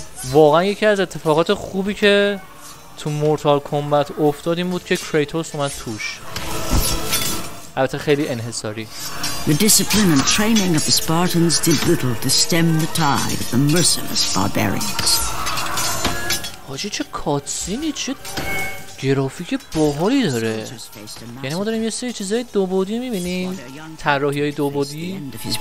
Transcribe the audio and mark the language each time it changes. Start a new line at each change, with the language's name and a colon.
Persian: واقعا یکی از اتفاقات خوبی که تو مورتال کمبت افتاد این بود که کریتوس اومد توش، البته خیلی انحصاری.
English: The discipline and training of the Spartans did little to stem the tide of the merciless barbarians.
Persian: حاجی چه کاتسینی، چه گرافیک باحالی داره. یعنی ما داریم یه سری چیزای دو بعدی می‌بینیم، طراحی‌های دو بعدی.